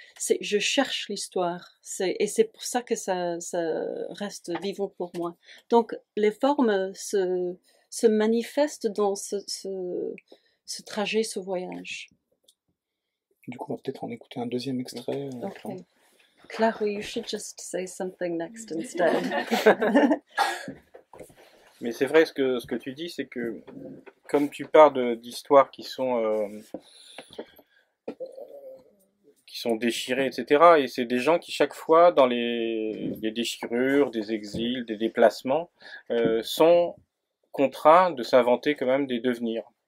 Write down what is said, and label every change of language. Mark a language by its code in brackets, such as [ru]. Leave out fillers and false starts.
[fr] C'est, je cherche l'histoire, et c'est pour ça que ça reste vivant pour moi. Donc les formes se manifestent dans ce trajet, ce voyage. Du coup, on va peut-être en écouter un deuxième extrait. [en] Okay. Clara, you should just say something next instead. [fr] Mais c'est vrai, ce que tu dis, c'est que comme tu parles d'histoires qui sont déchirées, etc., et c'est des gens qui, chaque fois, dans les déchirures, des exils, des déplacements, sont contraints de s'inventer quand même des devenirs.